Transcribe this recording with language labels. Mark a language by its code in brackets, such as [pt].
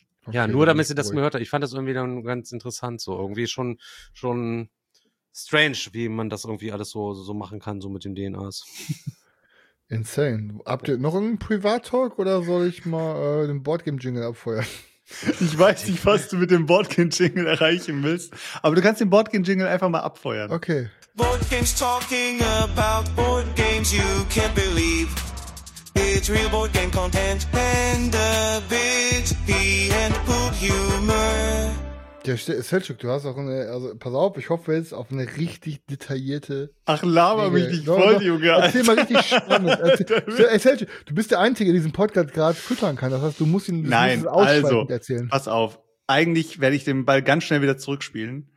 [de] Ja, nur damit sie das mal hört. Ich fand das irgendwie dann ganz interessant, so irgendwie schon strange, wie man das irgendwie alles so machen kann, so mit den DNAs. [en] Insane. [de] Habt ihr noch einen Privat-Talk oder soll ich mal den Boardgame-Jingle abfeuern? Ich weiß nicht, was du mit dem Boardgame-Jingle erreichen willst, aber du kannst den Boardgame-Jingle einfach mal abfeuern. Okay. [en] Boardgames talking about Boardgames you can't believe. It's real board game content and a bit and poop humor. [de] Ja, Selçuk, du hast auch eine, also pass auf, ich hoffe jetzt auf eine richtig detaillierte... Ach, laber Dinge. Mich nicht voll, Junge. Erzähl Alter. Mal richtig spannend. Ey, Selçuk, du bist der Einzige, der diesen Podcast gerade füttern kann. Das heißt, du musst ihn also, erzählen. Nein, also, pass auf. Eigentlich werde ich den Ball ganz schnell wieder zurückspielen.